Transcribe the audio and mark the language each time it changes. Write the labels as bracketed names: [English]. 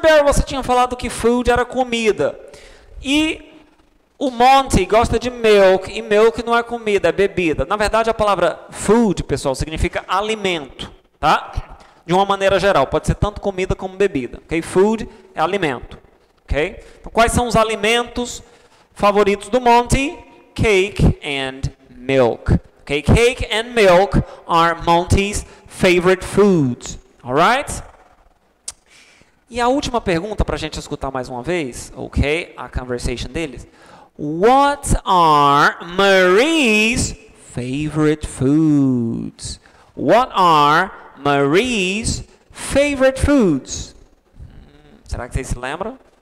[Portuguese] Bear, você tinha falado que food era comida. E o Monty gosta de milk, e milk não é comida, é bebida. Na verdade, a palavra food, pessoal, significa alimento, tá? De uma maneira geral, pode ser tanto comida como bebida, ok? Food é alimento, ok? Então, quais são os alimentos favoritos do Monty? [English] Cake and milk, ok? Cake and milk are Monty's favorite foods, alright? [Portuguese] E a última pergunta para a gente escutar mais uma vez, ok? A conversation deles. [English] What are Marie's favorite foods? What are Marie's favorite foods? [Portuguese] Será que vocês se lembram?